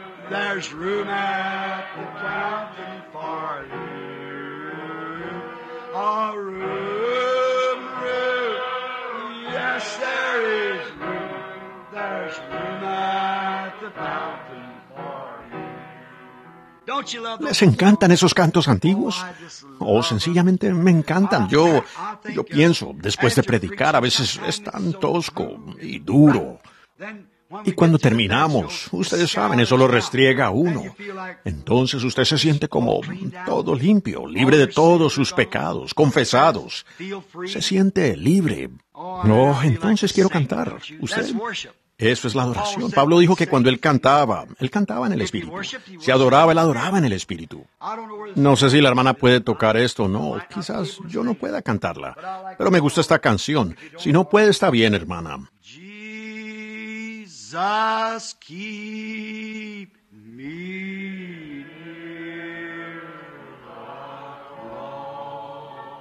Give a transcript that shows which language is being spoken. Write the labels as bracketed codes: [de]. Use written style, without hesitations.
[en] There's room at the fountain for you. A room, room. Yes, there is room. There's room at the fountain for you. Don't you love them? [es] ¿Les encantan esos cantos antiguos? O sencillamente me encantan. Yo pienso, después de predicar, a veces es tan tosco y duro. Y cuando terminamos, ustedes saben, eso lo restriega a uno. Entonces usted se siente como todo limpio, libre de todos sus pecados, confesados. Se siente libre. No, entonces quiero cantar. ¿Usted? Eso es la adoración. Pablo dijo que cuando él cantaba en el Espíritu. Si adoraba, él adoraba en el Espíritu. No sé si la hermana puede tocar esto o no. Quizás yo no pueda cantarla. Pero me gusta esta canción. Si no puede, está bien, hermana. [en] Jesus, keep me near the cross.